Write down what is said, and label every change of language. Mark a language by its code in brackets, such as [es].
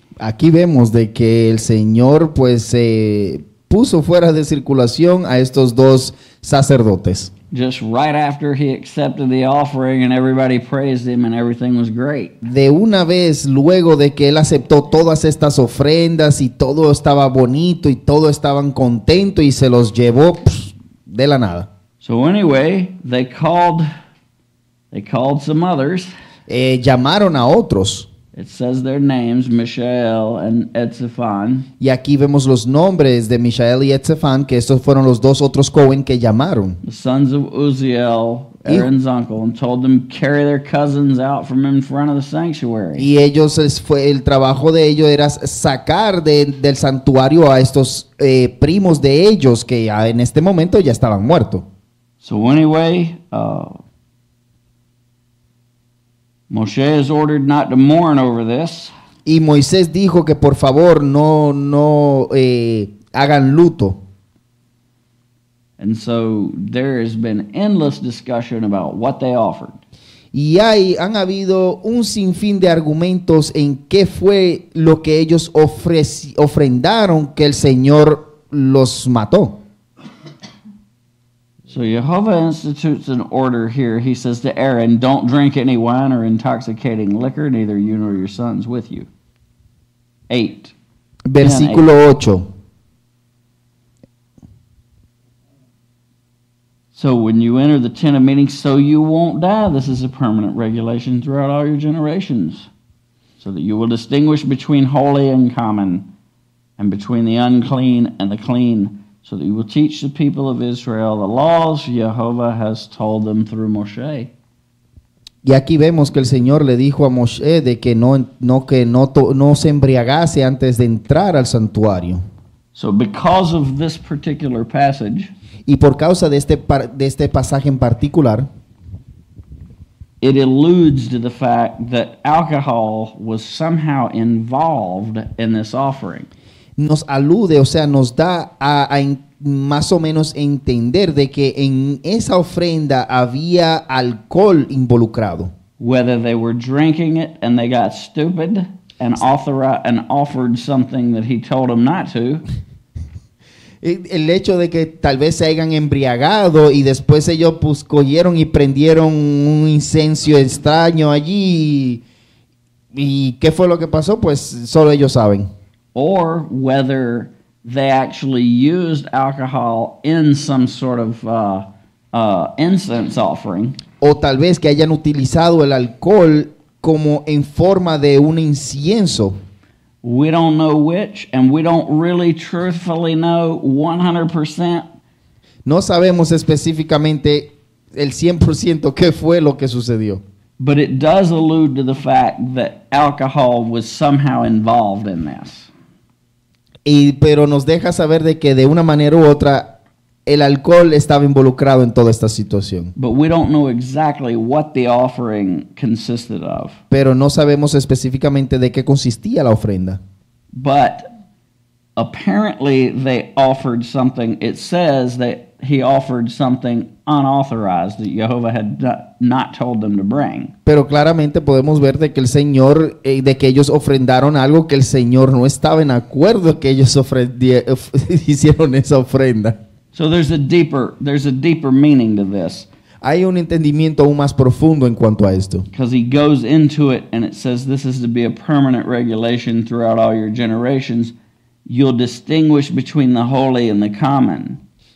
[es] Aquí vemos de que el Señor pues se puso fuera de circulación a estos dos sacerdotes. [en] just right after he accepted the offering and everybody praised him and everything was great. [es] De una vez luego de que él aceptó todas estas ofrendas y todo estaba bonito y todo estaban contento y se los llevó de la nada. [en] So anyway, they called some others. [es] Llamaron a otros. [en] It says their names, Mishael and Etzephan. [es] Y aquí vemos los nombres de Mishael y Etzephan, que estos fueron los dos otros Cohen que llamaron. [en] The sons of Uziel, Aaron's uncle, and told them carry their cousins out from in front of the sanctuary. [es] Y ellos fue el trabajo de ellos era sacar del santuario a estos primos de ellos que ya en este momento ya estaban muertos. [en] So anyway, Moshe is ordered not to mourn over this. [es] Y Moisés dijo que por favor no hagan luto. [en] And so there has been endless discussion about what they offered. [es] Y ahí han habido un sinfín de argumentos en qué fue lo que ellos ofrendaron que el Señor los mató. [en] So Jehovah institutes an order here. He says to Aaron, don't drink any wine or intoxicating liquor, neither you nor your sons with you. 8. [es] Versículo 8. [en] So when you enter the tent of meeting, so you won't die. This is a permanent regulation throughout all your generations, so that you will distinguish between holy and common, and between the unclean and the clean. So that you will teach the people of Israel the laws Jehovah has told them through Moshe. [es] Y aquí vemos que el Señor le dijo a Moshe de que no se embriagase antes de entrar al santuario. [en] So because of this particular passage, [es] y por causa de este pasaje en particular, [en] it alludes to the fact that alcohol was somehow involved in this offering. [es] Nos alude, o sea, nos da más o menos entender de que en esa ofrenda había alcohol involucrado. [en] Whether they were drinking it and they got stupid and offered something that he told them not to. [es] El hecho de que tal vez se hayan embriagado y después ellos pues cogieron y prendieron un incienso extraño allí. ¿Y qué fue lo que pasó? Pues solo ellos saben. [en] Or whether they actually used alcohol in some sort of incense offering. [es] O tal vez que hayan utilizado el alcohol como en forma de un incienso. [en] We don't know which, and we don't really truthfully know 100%. [es] No sabemos específicamente el 100% qué fue lo que sucedió. [en] But it does allude to the fact that alcohol was somehow involved in this. [es] Pero nos deja saber de que de una manera u otra el alcohol estaba involucrado en toda esta situación. [en] But we don't know exactly what the offering consisted of. [es] Pero no sabemos específicamente de qué consistía la ofrenda. [en] But apparently they offered something. It says that he offered something unauthorized that Jehovah had not told them to bring. [es] Pero claramente podemos ver de que el Señor, de que ellos ofrendaron algo que el Señor no estaba en acuerdo que ellos hicieron esa ofrenda. [en] So there's a deeper meaning to this. [es] Hay un entendimiento aún más profundo en cuanto a esto. [en] Because he goes into it and it says this is to be a permanent regulation throughout all your generations. You'll distinguish between the holy and the common.